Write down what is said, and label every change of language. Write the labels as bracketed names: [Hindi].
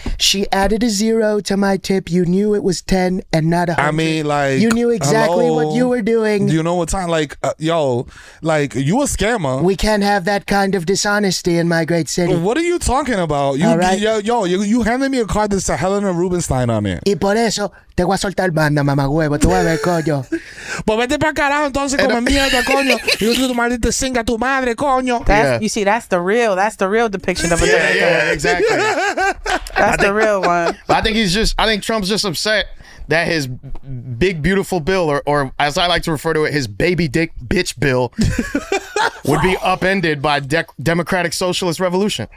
[English] She added a zero to my tip. You knew it was 10 and not 100. I mean, like, you knew exactly what you were doing. You know what time? Like, yo, like, you a scammer. We can't have that kind of dishonesty in my great city. What are you talking about? You handed me a card that's a Helena Rubinstein on it. [Spanish] Y por eso te voy a soltar banda, mamá huevo. Te voy a ver, coño. Pues vete para carajo, entonces, como mierda, coño. Y tú, tu maldita, singa tu madre, coño. [English] You see, that's the real depiction of a Dominican. Yeah, exactly. The real one. I think Trump's just upset that his big, beautiful bill, or as I like to refer to it, his baby dick bitch bill, would be upended by democratic socialist revolution.